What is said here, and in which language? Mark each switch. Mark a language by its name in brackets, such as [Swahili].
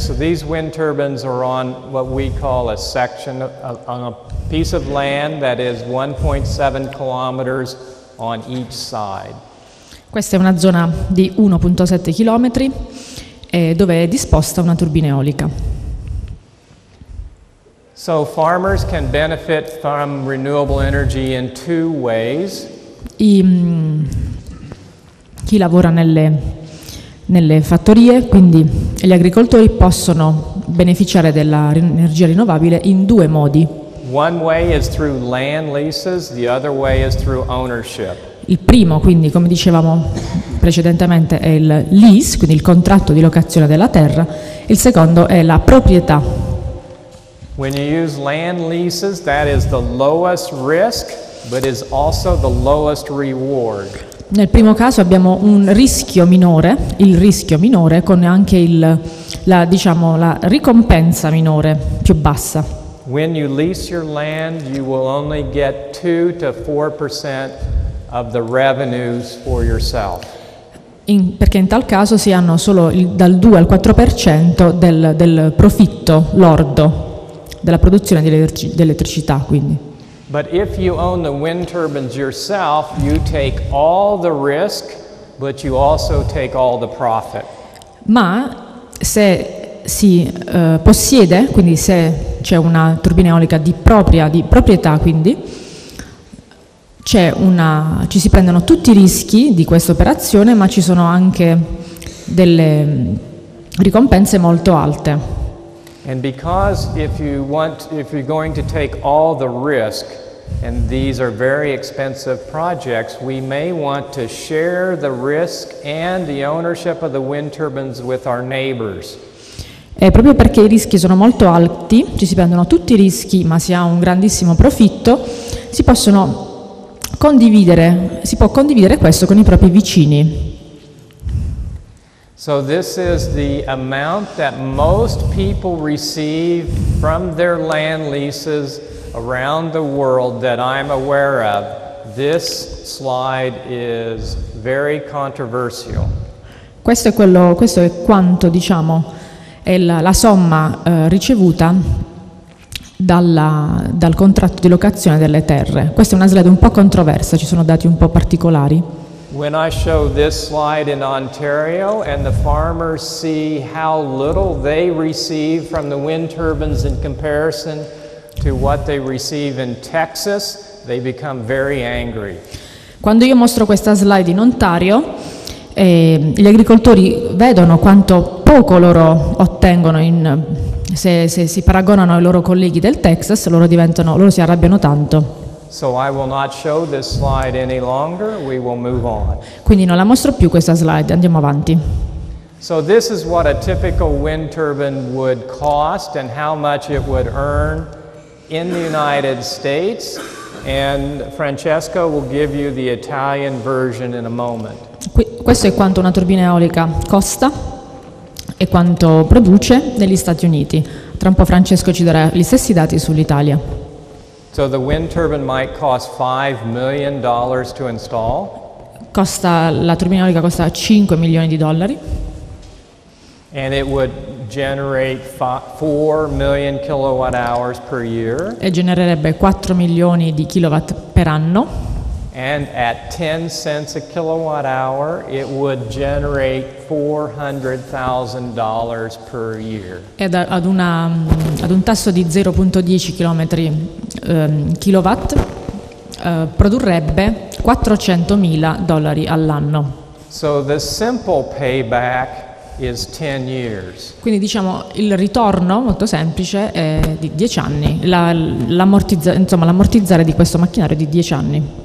[English] So these wind turbines are on what we call a section on a piece of land that is 1.7 kilometers on each side. [Italian] Questa è una zona di 1.7 chilometri dove è disposta una turbina eolica. [English] So farmers can benefit from renewable energy in two ways. [Italian] Chi lavora nelle fattorie, quindi gli agricoltori possono beneficiare dell'energia rinnovabile in due modi. [English] One way is through land leases, the other way is through ownership. [Italian] Il primo, quindi, come dicevamo precedentemente, è il lease, quindi il contratto di locazione della terra. Il secondo è la proprietà. [English] When you use land leases, that is the lowest risk, but is also the lowest reward. [Italian] Nel primo caso abbiamo un rischio minore, il rischio minore con anche la ricompensa minore più bassa. [English] When you lease your land, you will only get 2 to 4% of the revenues for yourself. [Italian] Perché in tal caso si hanno solo dal 2 al 4% del profitto lordo della produzione di elettricità, quindi. [English] But if you own the wind turbines yourself, you take all the risk, but you also take all the profit. [Italian] Ma se si possiede, quindi se c'è una turbina eolica di proprietà, quindi c'è una, ci si prendono tutti i rischi di questa operazione, ma ci sono anche delle ricompense molto alte. [English] And because if you want, if you're going to take all the risk, and these are very expensive projects, we may want to share the risk and the ownership of the wind turbines with our neighbors. [Italian] E proprio perché i rischi sono molto alti, ci si prendono tutti i rischi, ma si ha un grandissimo profitto, si possono condividere, si può condividere questo con i propri vicini. [English] So this is the amount that most people receive from their land leases around the world that I'm aware of. This slide is very controversial. [Italian] Questo è quello, questo è quanto, diciamo, è la somma ricevuta dal contratto di locazione delle terre. Questa è una slide un po' controversa, ci sono dati un po' particolari. [English] When I show this slide in Ontario and the farmers see how little they receive from the wind turbines in comparison to what they receive in Texas, they become very angry. [Italian] Quando io mostro questa slide in Ontario, gli agricoltori vedono quanto poco loro ottengono in, se si paragonano ai loro colleghi del Texas, loro si arrabbiano tanto. [English] So I will not show this slide any longer. We will move on. [Italian] Quindi non la mostro più questa slide, andiamo avanti. [English] So this is what a typical wind turbine would cost and how much it would earn in the United States, and Francesco will give you the Italian version in a moment. [Italian] Questo è quanto una turbina eolica costa e quanto produce negli Stati Uniti. Tra un po' Francesco ci darà gli stessi dati sull'Italia. [English] So the wind turbine might cost $5 million to install. [Italian] Costa, la turbina eolica costa $5 [English] million. And it would generate 4 million kilowatt hours per year. [Italian] E genererebbe 4 milioni di kilowatt per anno. [English] And at 10 cents a kilowatt hour, it would generate $400,000 per year. [Italian] Ed ad un tasso di 0.10 chilometri kilowatt produrrebbe $400,000 all'anno. [English] So the simple payback is 10 years. [Italian] Quindi diciamo il ritorno molto semplice è di 10 anni, l'ammortizzare di questo macchinario è di 10 anni.